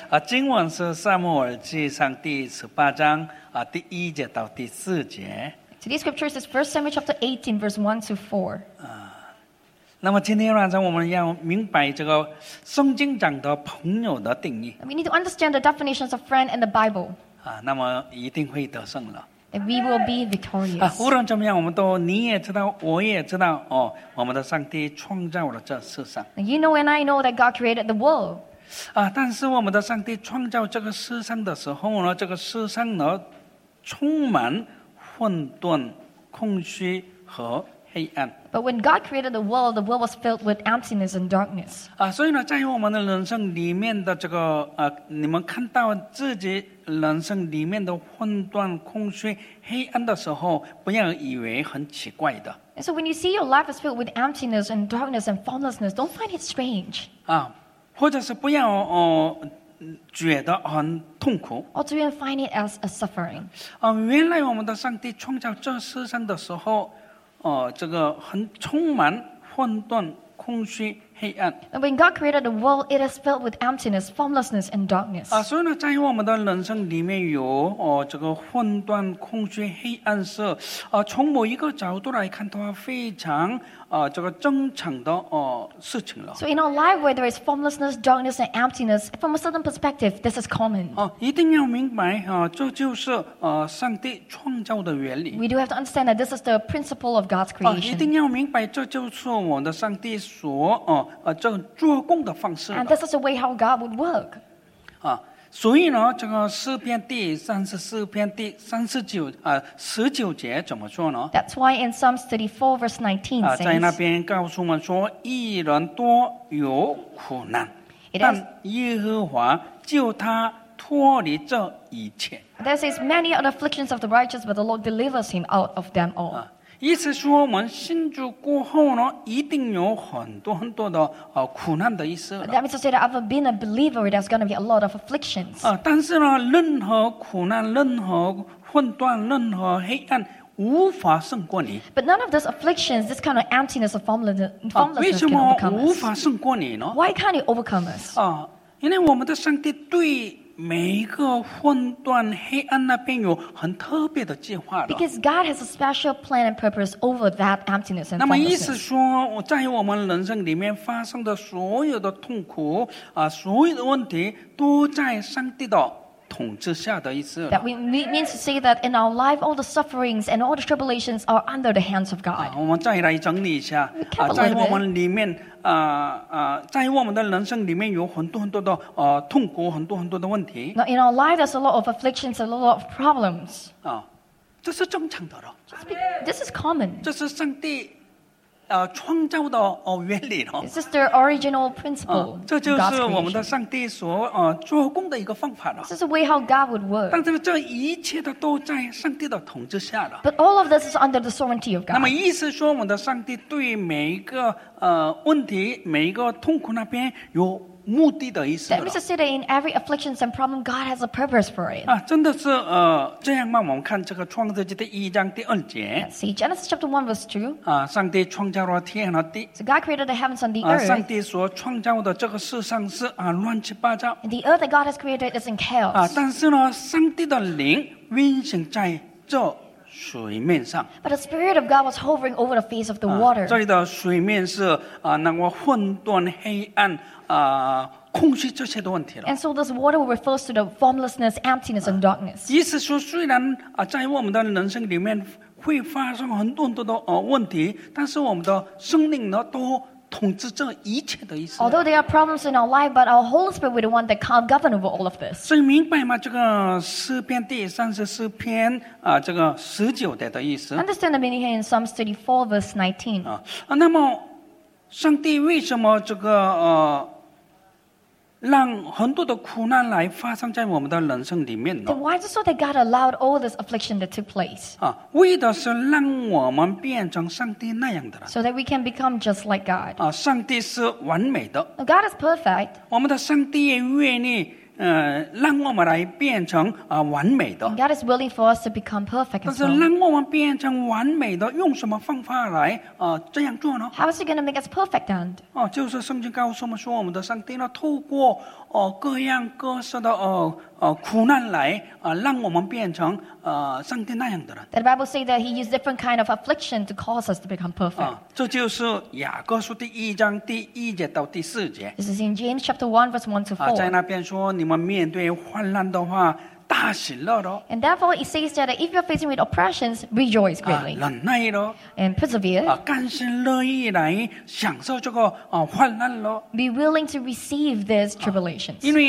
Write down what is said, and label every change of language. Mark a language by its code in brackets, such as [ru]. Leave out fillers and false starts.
[zh] 今晚是撒母耳记上第十八章第一节到第四节。 [en] Today's scripture is First Samuel chapter 18, verse 1 to 4. [zh] 那么今天晚上我们要明白这个圣经讲的朋友的定义。 [en] We need to understand the definitions of friend in the Bible. [zh] 那么一定会得胜了。 [en] And we will be victorious. [zh] 无论怎么样，我们都你也知道，我也知道，哦，我们的上帝创造了这世上。 [en] You know and I know that God created the world. [zh] 但是我们的上帝创造这个世上的时候呢，这个世上呢，充满混沌、空虚和黑暗。 [en] But when God created the world was filled with emptiness and darkness. [zh] 所以呢，在我们的人生里面的这个你们看到自己。人生里面的混沌、空虚、黑暗的时候，不要以为很奇怪的。 [en] And so when you see your life is filled with emptiness and darkness and formlessness, don't find it strange. [zh] 或者是不要觉得很痛苦。 [en] Or do you find it as a suffering? [zh] 原来我们的上帝创造这世上的时候，这个很充满混沌、空虚。 [en] And when God created the world, it is filled with emptiness, formlessness, and darkness. [zh] 所以呢，在我们的人生里面有这个混沌、空虚、黑暗是从某一个角度来看的话，非常这个正常的事情了。 [en] So in our life, where there is formlessness, darkness, and emptiness, from a certain perspective, this is common. [zh] 一定要明白这就是上帝创造的原理。 [en] We do have to understand that this is the principle of God's creation. [zh] 一定要明白这就是我们的上帝所这个做工的方式。 [en] And this is the way how God would work. [zh] 所以呢，这个诗篇第三十四篇第三十九十九节怎么说呢 [en] ？That's why in Psalms 34 verse 19 says. [zh] 在那边告诉我们说，一人多有苦难， [en] It [zh] 但耶和华救他脱离这一切。 [en] There is many are the afflictions of the righteous, but the Lord delivers him out of them all. [zh] 意思说，我们信主过后呢，一定有很多很多的苦难的意思。 [en] That means to say that after being a believer, there's going to be a lot of afflictions. [zh] 但是呢，任何苦难、任何混沌、任何黑暗，无法胜过你。 [en] But none of those afflictions, this kind of emptiness or formlessness, can overcome us. [zh] 为什么无法胜过你呢 [en] ？Why can't you overcome us？ [zh] 因为我们的上帝对。每一个混沌黑暗那边有很特别的计划的。 [en] Because God has a special plan and purpose over that emptiness and formlessness. [zh] 那么意思说，在我们人生里面发生的所有的痛苦所有的问题都在上帝的统治下的意思。 [en] That we mean to say that in our life, all the sufferings and all the tribulations are under the hands of God. [zh] 我们再来整理一下在我们里面。在我们的人生里面有很多很多的痛苦，很多很多的问题。 [en] Now in our life, there's a lot of afflictions, a lot of problems. [zh] 这是正常的了。 [en] This is common. [zh] 这是上帝创造的原理了。 [en] This is the original principle. [zh] 这就是我们的上帝所做工的一个方法了。 [en] This is the way how God would work. [zh] 但是这一切的都在上帝的统治下了。 [en] But all of this is under the sovereignty of God. [zh] 那么意思说，我们的上帝对每一个问题、每一个痛苦那边有目的的意思。 [en] That means to say that in every affliction and problem, God has a purpose for it. [zh] 真的是这样吗？我们看这个创世纪的一章第二节。 [en] Let's see Genesis chapter 1 verse 2. [zh] 上帝创造了天和地。 [en] So God created the heavens and the earth. [zh] 上帝所创造的这个世上是乱七八糟。 [en] The earth that God has created is in chaos. [zh] 但是呢，上帝的灵运行在这。水面上 [en] But the spirit of God was hovering over the face of the water. [zh] 这里的水面是那个混沌黑暗空虚这些的问题了。 [en] And so this water refers to the formlessness, emptiness, and darkness. [zh] 意思说，虽然在我们的人生里面会发生很多很多的问题，但是我们的生命呢都。统治这一切的意思。 [en] Although there are problems in our life, but our Holy Spirit is the one that can govern over all of this. [zh] 所以明白吗？这个诗篇第三十四篇这个十九节的意思。 [en] Understand the meaning here in Psalms 34 verse 19. [zh] 那么上帝为什么这个让很多的苦难来发生在我们的人生里面呢 [en] ？Then why is it so that God allowed all this affliction that took place？ [zh] 为的是让我们变成上帝那样的人。 [en] So that we can become just like God。 [zh] 上帝是完美的。 [en] God is perfect。 [zh] 我们的上帝也愿意让我们来变成完美的. [en] God is willing for us to become perfect as well. [zh] 但是让我们变成完美的，用什么方法来这样做呢？ [en] How is He going to make us perfect then? [zh] 就是圣经告诉我们说，我们的上帝呢，透过各样各色的苦难来让我们变成上帝那样的人。 [en] The Bible says that He used different kind of affliction to cause us to become perfect. [zh] 这就是雅各书第一章第1节到第4节。 [en] This is in James chapter 1 verse 1 to 4. [zh] 在那边说，你们面对患难的话。 [en] And therefore, it says that if you're facing with oppressions, rejoice greatly. And persevere. [zh] 甘心乐意来享受这个患难咯. [en] Be willing to receive these tribulations.